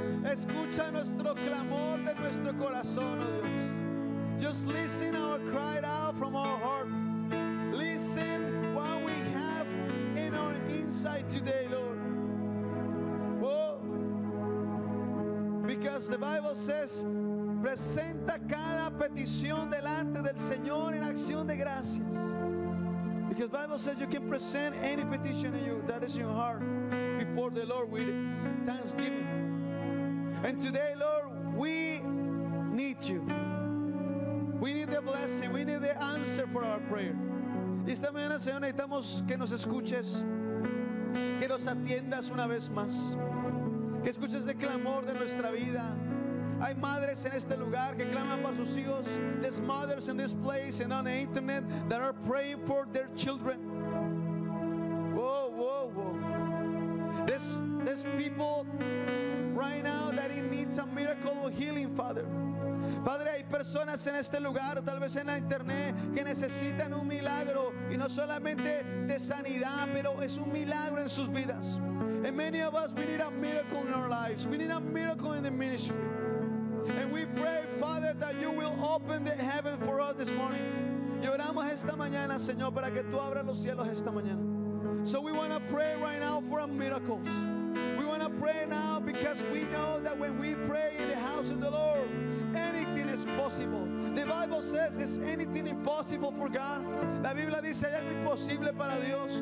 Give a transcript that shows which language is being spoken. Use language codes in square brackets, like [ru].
[es] Escucha nuestro clamor de nuestro corazón, oh Dios. [en] Just listen our cry out from our heart. Listen what we have in our inside today, Lord. Oh, because the Bible says, [es] presenta cada petición delante del Señor en acción de gracias. [en] Because the Bible says you can present any petition in you that is in your heart before the Lord with thanksgiving. And today, Lord, we need you. We need the blessing. We need the answer for our prayer. [es] Esta mañana, Señor, necesitamos que nos escuches, que nos atiendas una vez más, que escuches el clamor de nuestra vida. Hay madres en este lugar que claman por sus hijos. [en] There's mothers in this place and on the internet that are praying for their children. Whoa, whoa, whoa. There's people right now that need a miracle of healing, Father. [es] Padre, hay personas en este lugar, tal vez en la internet, que necesitan un milagro, y no solamente de sanidad, pero es un milagro en sus vidas. [en] And many of us, we need a miracle in our lives. We need a miracle in the ministry. And we pray, Father, that you will open the heaven for us this morning. [es] Lloramos esta mañana, Señor, para que tú abras los cielos esta mañana. [en] So we want to pray right now for a miracle. We want to pray now because we know that when we pray in the house of the Lord, anything is possible. The Bible says, is anything impossible for God? [es] La Biblia dice, ¿hay algo imposible para Dios?